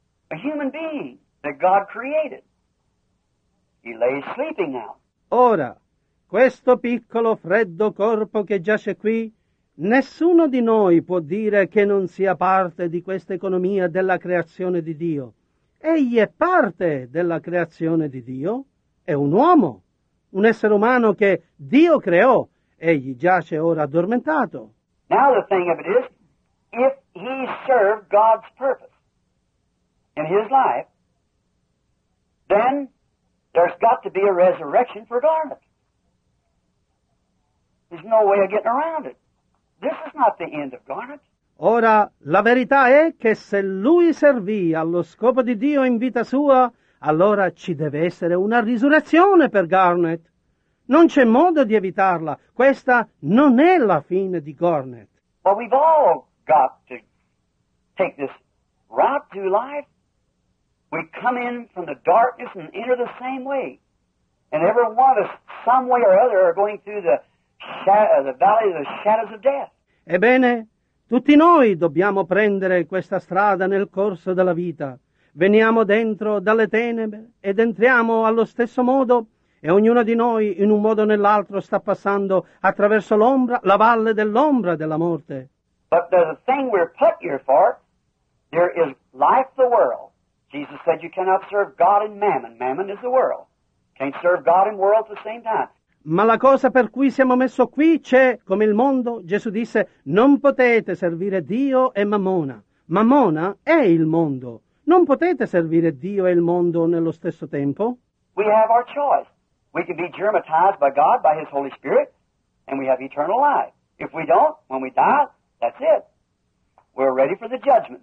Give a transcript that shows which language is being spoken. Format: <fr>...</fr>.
<en>A human being that God created. He lay sleeping now.</en> <it>Ora, questo piccolo freddo corpo che giace qui, nessuno di noi può dire che non sia parte di questa economia della creazione di Dio. Egli è parte della creazione di Dio. È un uomo, un essere umano che Dio creò. Egli giace ora addormentato.</it> <en>Now the thing of it is, if he served God's purpose in his life, then there's got to be a resurrection for Garnet. There's no way of getting around it. This is not the end of Garnet.</en> <it>Ora, la verità è che se lui servì allo scopo di Dio in vita sua, allora ci deve essere una risurrezione per Garnet. Non c'è modo di evitarla. Questa non è la fine di Garnet.</it> <en>But we've all got to take this route to life. We come in from the darkness and enter the same way. And every one of us, some way or other, are going through the valley of the shadows of death.</en> <it>Ebbene, tutti noi dobbiamo prendere questa strada nel corso della vita. Veniamo dentro dalle tenebre ed entriamo allo stesso modo. E ognuno di noi, in un modo o nell'altro, sta passando attraverso l'ombra, la valle dell'ombra della morte.</it> <en>But the thing we're put here for, there is life the world. Jesus said you cannot serve God and mammon. Mammon is the world. Can't serve God and world at the same time.</en> <it>Ma la cosa per cui siamo messo qui c'è come il mondo. Gesù disse, non potete servire Dio e Mammona. Mammona è il mondo. Non potete servire Dio e il mondo nello stesso tempo.</it> <en>We have our choice. We can be germatized by God, by His Holy Spirit, and we have eternal life. If we don't, when we die, that's it. We're ready for the judgment.</en>